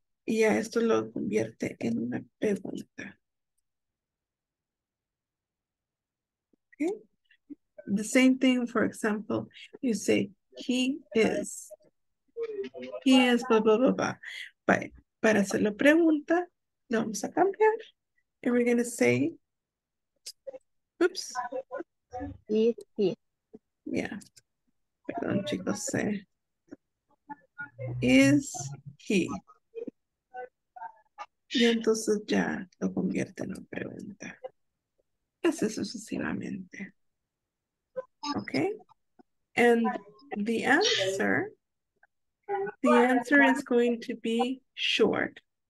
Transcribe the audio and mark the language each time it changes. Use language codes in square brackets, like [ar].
[es] Y ya esto lo convierte en una pregunta. [en] Okay? The same thing, for example, you say, he is, blah, blah, blah, blah. [es] But para hacerlo pregunta, lo vamos a cambiar. [en] And we're going to say, oops. Is he? [es] Yeah. Perdón, chicos. [en] Is he? [es] Y entonces ya lo convierte en una pregunta. Así sucesivamente. Okay. [en] And the answer is going to be short.